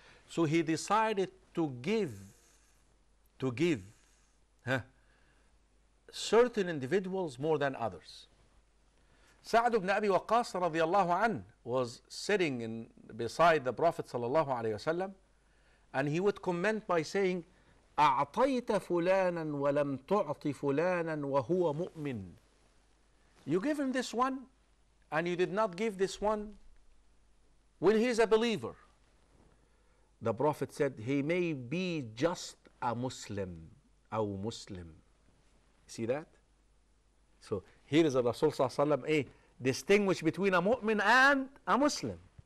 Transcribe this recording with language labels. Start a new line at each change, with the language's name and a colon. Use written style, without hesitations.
English: So he decided to give certain individuals more than others. Sa'd ibn Abi Waqqas radiallahu anhu was sitting beside the Prophet sallallahu alayhi wasallam, and he would comment by saying,
Arabic: أعطيت فلانا ولم تعطي فلانا وهو مؤمن.
English: You give him this one and you did not give this one when he is a believer. The Prophet said he may be just a Muslim or Muslim. See that? So here is the Rasul Sallallahu Alaihi Wasallam, distinguish between a mu'min and a Muslim.